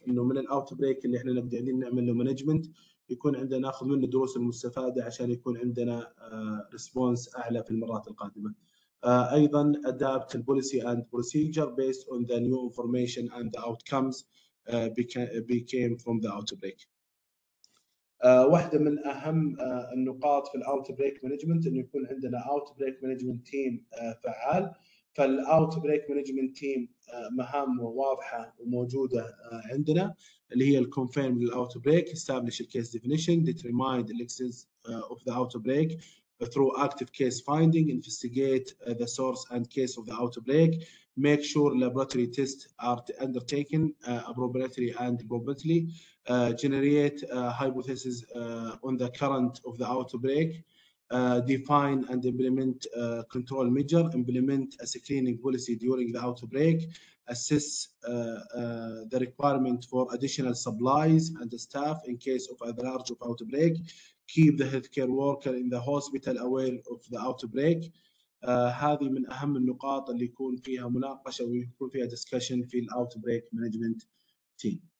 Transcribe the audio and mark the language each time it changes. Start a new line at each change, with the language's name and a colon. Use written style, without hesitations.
Arabic: إنه من outbreak اللي إحنا نبدأين نعمل له management يكون عندنا نأخذ منه دروس المستفادة عشان يكون عندنا response أعلى في المرات القادمة.
English: أيضا adapt the policy and procedure based on the new information and the outcomes became from the outbreak.
Arabic: واحدة من أهم النقاط في outbreak management إنه يكون عندنا outbreak management team فعال.
English: فال outbreak management team
Arabic: مهامه واضحة وموجودة عندنا اللي هي
English: confirm the outbreak, establish the case definition, determine the existence of the outbreak through active case finding, investigate the source and case of the outbreak, make sure laboratory tests are undertaken appropriately and robustly, generate hypothesis on the current of the outbreak, define and implement control measure, implement a screening policy during the outbreak, assess the requirement for additional supplies and the staff in case of a large of outbreak, keep the healthcare worker in the hospital aware of the outbreak.
Arabic: هذه من أهم النقاط اللي يكون فيها مناقشة ويكون فيها discussion في the outbreak management team.